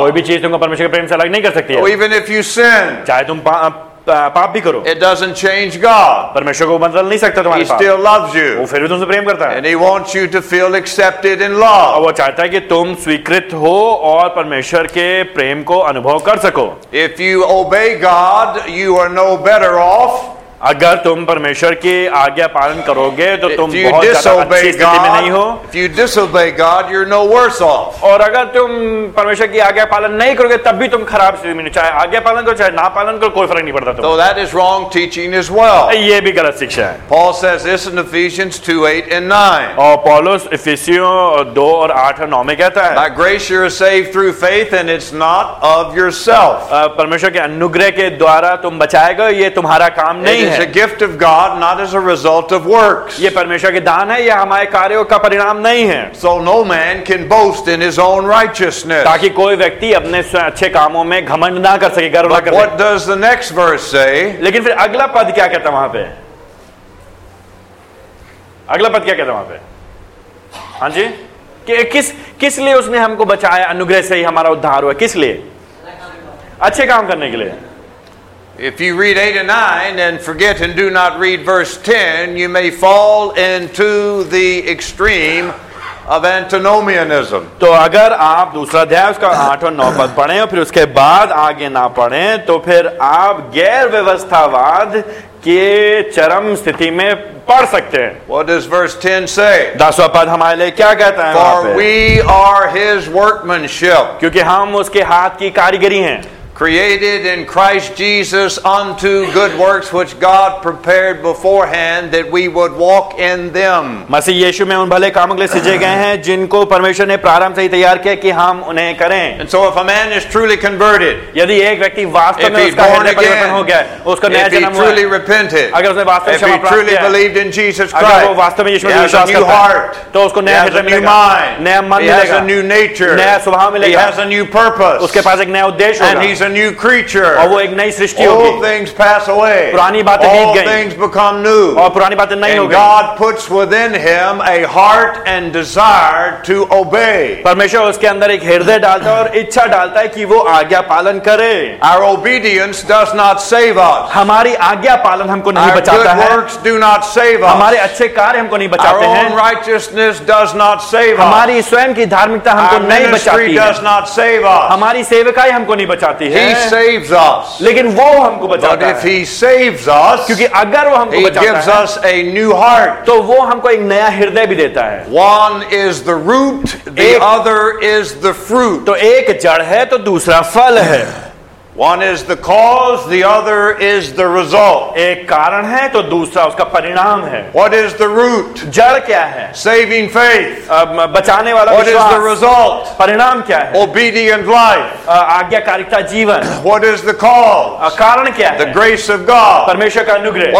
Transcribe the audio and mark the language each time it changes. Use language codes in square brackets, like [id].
[hi] कोई भी चीज तुमको परमेश्वर के प्रेम से अलग नहीं कर सकती है। [en] Oh, even if you sin. [hi] चाहे तुम पाप भी करो। [en] It doesn't change God. [hi] परमेश्वर को बदल नहीं सकता तुम्हारे पाप। [en] He still loves you. [hi] वो फिर भी तुमसे प्रेम करता है। [en] And he wants you to feel accepted in love. [hi] वो चाहता है कि तुम स्वीकृत हो और परमेश्वर के प्रेम को अनुभव कर सको। [en] If you obey God, you are no better off. [hi] अगर तुम परमेश्वर की आज्ञा पालन करोगे तो तुम बहुत ज्यादा अच्छी स्थिति में नहीं हो। [en] If you disobey God, you're no worse off. [hi] और अगर तुम परमेश्वर की आज्ञा पालन नहीं करोगे तब भी तुम खराब स्थिति में, चाहे आज्ञा पालन करो चाहे ना पालन करो कोई फर्क नहीं पड़ता। [en] So that is wrong teaching as well. [hi] ये भी गलत शिक्षा है। [en] Paul says this in Ephesians 2:8 and 9. [hi] और पौलुस इफिसियों 2 और 8 और 9 में कहता है, [en] By grace you are saved through faith and it's not of yourself. [hi] परमेश्वर के अनुग्रह के द्वारा तुम बचाए गए, ये तुम्हारा काम नहीं। [en] It's a gift of God, not as a result of works. [hi] ये परमेश्वर के दान है, ये हमारे कार्यों का परिणाम नहीं है। [en] So no man can boast in his own righteousness. [hi] ताकि कोई व्यक्ति अपने अच्छे कामों में घमंड ना कर सके, गर्व ना कर सके। [en] What does the next verse say? [hi] लेकिन फिर अगला पद क्या कहता वहां पे? अगला पद क्या कहता वहां पे? हाँ जी, कि किस लिए उसने हमको बचाया, अनुग्रह से ही हमारा उद्धार हुआ, किस लिए? अच्छे काम करने के लिए। [en] If you read 8 and 9 and forget and do not read verse 10, you may fall into the extreme of antinomianism. [hi] तो अगर आप दूसरा अध्याय उसका 8 और 9 पद पढ़ें और फिर उसके बाद आगे ना पढ़ें तो फिर आप गैर व्यवस्थावाद के चरम स्थिति में पढ़ सकते हैं। [en] What does verse 10 say? [hi] दसवां पद हमारे लिए क्या कहता है? [en] For we are his workmanship. [hi] क्योंकि हम उसके हाथ की कारीगरी हैं। [en] Created in Christ Jesus unto good works which God prepared beforehand that we would walk in them. [hi] मसीह यीशु में उन भले कामों के लिए सजे गए हैं जिनको परमेश्वर ने प्रारंभ से ही तैयार किया कि हम उन्हें करें। [en] And so if a man is truly converted, [hi] यदि एक व्यक्ति वास्तव में उसका हृदय परिवर्तन हो गया, उसका नया जन्म हुआ, [en] if he truly repented, [hi] अगर उसने वास्तव में क्षमा प्राप्त किया, [en] if he truly believed in Jesus Christ, [hi] अगर वो वास्तव में यीशु में विश्वास करता है, तो उसको नया हृदय मिलेगा, नया मन मिलेगा, [en] he has a new nature, [hi] नया स्वभाव मिलेगा, [en] he has a new purpose, [hi] उसके पास एक नया उद्देश्य होगा। [en] A new creature. [hi] और वो एक नई सृष्टि होगी। [en] Old things pass away. [hi] पुरानी बातें बीत गईं। [en] All things become new. [hi] और पुरानी बातें नई हो गईं। [en] God puts within him a heart and desire to obey. [hi] परमेश्वर उसके अंदर एक हृदय डालता है और इच्छा डालता है कि वो आज्ञा पालन करे। [en] Our obedience does not save us. [hi] हमारी आज्ञा पालन हमको नहीं बचाता है। [en] Our good works do not save us. [hi] हमारे अच्छे कार्य हमको नहीं बचाते हैं। [en] Our own righteousness does not save us. [hi] हमारी स्वयं की धार्मिकता हमको नहीं बचाती है। [en] Our ministry does not save us. [hi] हमारी सेवकाई हमको नहीं बचाती है। [en] He saves us. [hi] लेकिन वो हमको बचाता है। [en] But if he saves us, [hi] क्योंकि अगर वो हमको बचाता है, [en] he gives us a new heart. [hi] तो वो हमको एक नया हृदय भी देता है। [en] One is the root, the other is the fruit. [hi] तो एक जड़ है तो दूसरा फल है। [en] One is the cause, the other is the result. [hi] एक कारण है तो दूसरा उसका परिणाम है। [en] What is the root? [hi] जड़ क्या है? [en] Saving faith. [hi] बचाने वाला विश्वास। [en] What is the result? [hi] परिणाम क्या है? [en] Obedient life. [hi] आज्ञाकारिता जीवन। [en] What is the cause? [hi] कारण क्या है? [en] The grace of God. [hi] परमेश्वर का अनुग्रह।